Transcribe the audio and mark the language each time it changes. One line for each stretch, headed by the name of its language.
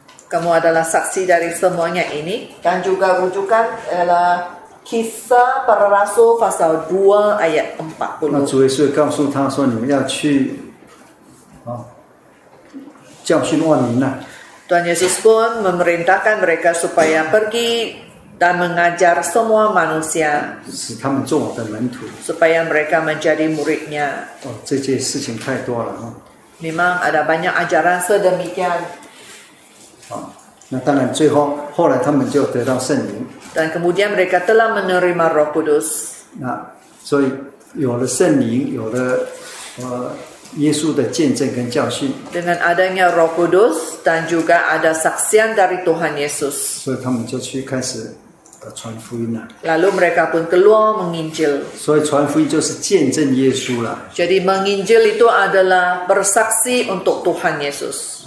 Malay: Kamu adalah saksi dari semuanya ini. Dan juga rujukan adalah Kisah Para Rasul pasal 2 ayat 40.
Chinese: Nah, Tuhan Yesus告诉他说你们要去教训万民呐。
Malay: Tuhan Yesus pun memerintahkan mereka supaya pergi dan mengajar semua manusia.
Chinese: 使他们做我的门徒。
Malay: Supaya mereka menjadi muridnya.
Chinese: Oh, 这件事情太多了。
Malay: Memang ada banyak ajaran sedemikian.
Chinese: 那当然最后后来他们就得到圣灵。
Malay: Dan kemudian mereka telah menerima Roh Kudus.
Chinese: Nah, so, 有了圣灵，有了耶稣的见证跟教训。
Malay: Dengan adanya Roh Kudus dan juga ada saksian dari Tuhan Yesus.
Chinese: So, 他们就去开始传福音了。
Malay: Lalu mereka pun keluar menginjil.
Chinese: So, 传福音就是见证耶稣了。
Malay: Jadi menginjil itu adalah bersaksi untuk Tuhan Yesus.